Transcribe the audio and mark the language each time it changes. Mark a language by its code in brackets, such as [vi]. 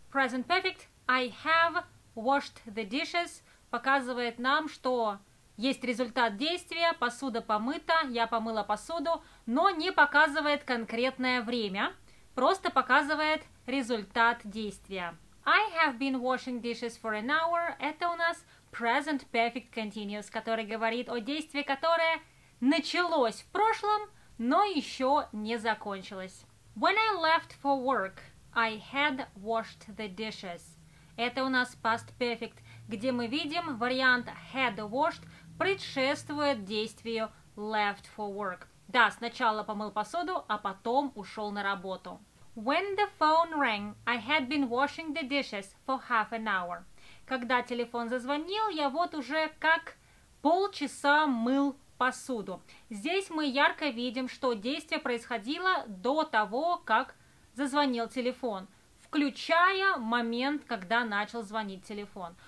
[en] Present perfect. I have washed the dishes. [ru] Показывает нам, что есть результат действия, посуда помыта, я помыла посуду, но не показывает конкретное время, просто показывает результат действия. [en] I have been washing dishes for an hour. [ru] Это у нас present perfect continuous, который говорит о действии, которое началось в прошлом, но еще не закончилось. [en] When I left for work, I had washed the dishes. [ru] Это у нас past perfect, где мы видим вариант had washed предшествует действию left for work. Да, сначала помыл посуду, а потом ушел на работу. [en] When the phone rang, I had been washing the dishes for half an hour. [ru] Когда телефон зазвонил, я вот уже как полчаса мыл посуду. Здесь мы ярко видим, что действие происходило до того, как зазвонил телефон, включая момент, когда начал звонить телефон.